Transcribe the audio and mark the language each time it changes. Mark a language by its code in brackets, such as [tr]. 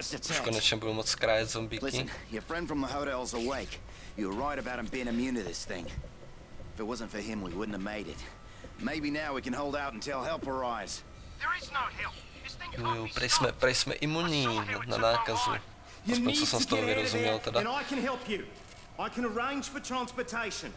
[cs] Už konečně budu moc krájet zombíky. [en] Your friend from the hotel is awake. You're right about him being immune to this thing. If it wasn't for him, we wouldn't have made it. Maybe now we can hold out until help arrives. There is no help. This thing can't be stopped. [cs] Jo, prej jsme imunní na nákazu. Aspoň co jsem z toho vyrozuměl teda. [en] I can arrange for transportation.